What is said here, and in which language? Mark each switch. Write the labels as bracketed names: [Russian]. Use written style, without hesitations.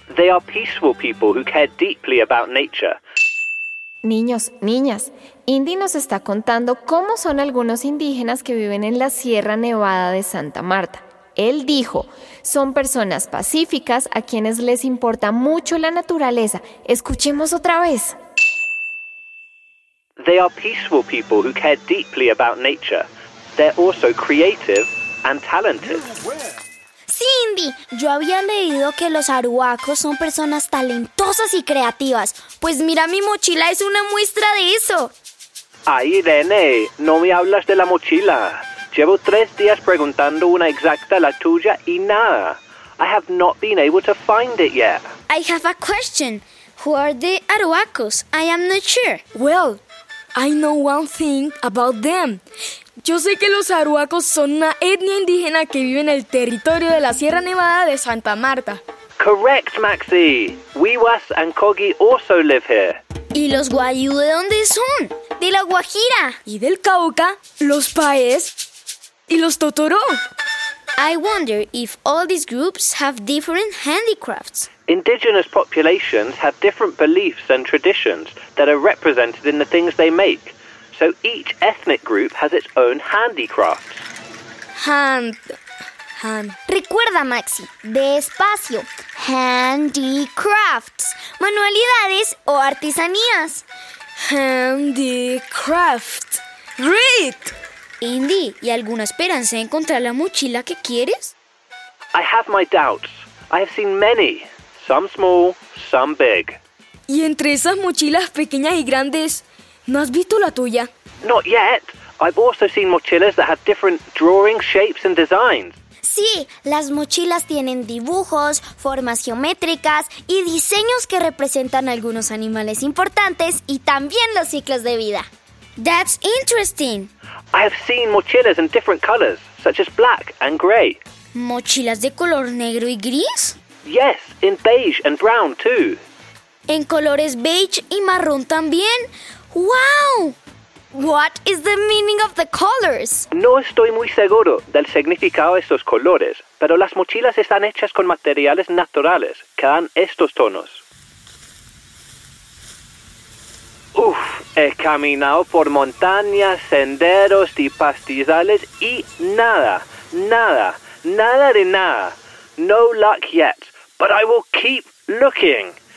[English] They are peaceful people who care deeply about nature. [Spanish] Niños, niñas, Indy nos está contando cómo son algunos indígenas que viven en la Sierra Nevada de Santa Marta. Él dijo, son personas pacíficas a quienes les importa mucho la naturaleza. Escuchemos otra vez. [English] They are peaceful people who care deeply about nature. They're also creative and talented. [Spanish] Cindy, yo había leído que los arhuacos son personas talentosas y creativas. Pues mira, mi mochila es una muestra de eso. Ay, Irene, no me hablas de la mochila. Llevo 3 días preguntando una exacta a la tuya y nada. [English] I have not been able to find it yet. I have a question. Who are the arhuacos? I am not sure. Well, I know one thing about them. [Spanish] Yo sé que los arhuacos son una etnia indígena que vive en el territorio de la Sierra Nevada de Santa Marta. [English] Correct, Maxi. Wiwas and Kogi also live here. [Spanish] ¿Y los Wayuu de dónde son? De la Guajira. Y del Cauca, los Paes y los Totoro. [English] I wonder if all these groups have different handicrafts. Indigenous populations have different beliefs and traditions that are represented in the things they make. So each ethnic group has its own handicraft. Hand. [Spanish] Recuerda, Maxi, despacio. Handicrafts, manualidades o artesanías. [English] Handicraft. Great! [Spanish] Indy, ¿y alguna esperanza de encontrar la mochila que quieres? [English] I have my doubts. I have seen many. Some small, some big. [Spanish] ¿Y entre esas mochilas pequeñas y grandes, no has visto la tuya? [English] Not yet. I've also seen mochilas that have different drawing shapes and designs. [Spanish] Sí, las mochilas tienen dibujos, formas geométricas y diseños que representan algunos animales importantes y también los ciclos de vida. [English] That's interesting. I have seen mochilas in different colors, such as black and gray. [Spanish] ¿Mochilas de color negro y gris? [English] Yes, in beige and brown too. [Spanish] ¿En colores beige y marrón también? ¡Wow! [English] What is the meaning of the colors? [Spanish] No estoy muy seguro del significado de estos colores, pero las mochilas están hechas con materiales naturales que dan estos tonos. Uf, he caminado por montañas, senderos y pastizales y nada de nada. [English] No luck yet, but I will keep looking.